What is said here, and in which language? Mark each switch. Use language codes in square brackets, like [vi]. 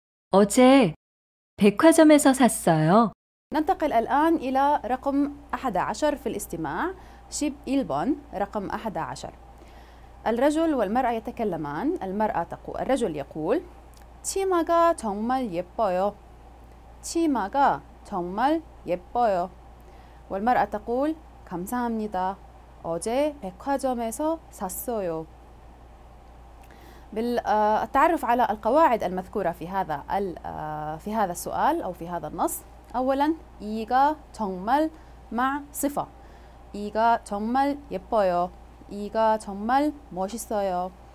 [ko] 어제 백화점에서 샀어요. [ar] ننتقل الآن إلى رقم 11 في الاستماع. [ko] 11번 [ar] رقم 11. الرجل والمرأة يتكلمان. المرأة تقول، الرجل يقول [ko] 치마가 정말 예뻐요. 치마가 정말 예뻐요. [ar] والمرأة تقول [ko] 감사합니다. 어제 백화점에서 샀어요. [ar] بالتعرف على القواعد المذكورة في هذا السؤال أو في هذا النص، أولاً [ko] 이가 정말 [ar] مع صفة. [ko] 이가 정말 예뻐요. 이가 정말 멋있어요.